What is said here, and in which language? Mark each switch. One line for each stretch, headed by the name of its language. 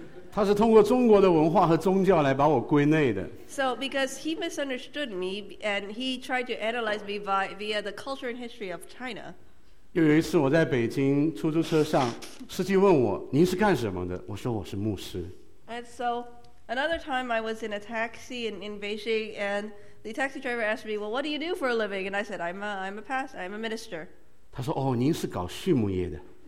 Chinese: 他是通过中国的文化和宗教来把我归类的。
English: So because he misunderstood me, and he tried to analyze me via the culture and history of China.
Chinese: 又有一次我在北京出租车上，司机问我您是干什么的，我说我是牧师。
English: And so another time I was in a taxi in Beijing, and the taxi driver asked me, well, what do you do for a living? And I said, I'm a minister.
Chinese: 他说哦，您是搞畜牧业的。